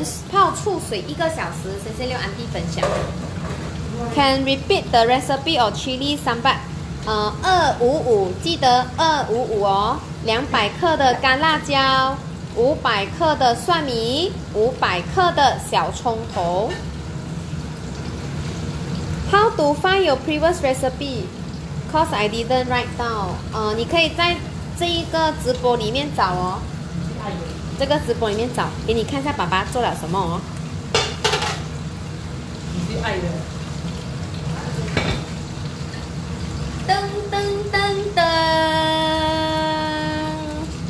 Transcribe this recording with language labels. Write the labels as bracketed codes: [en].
[zh] 泡醋水一个小时，谢谢六安弟分享。 [en] Can repeat the recipe of chili sambal？ [zh] 255，记得255哦，200克的干辣椒，500克的蒜米，500克的小葱头。 [en] How to find your previous recipe? Cause I didn't write down。 [zh] 你可以在这一个直播里面找哦。这个直播里面找，给你看一下爸爸做了什么哦。你是爱人。噔噔噔噔！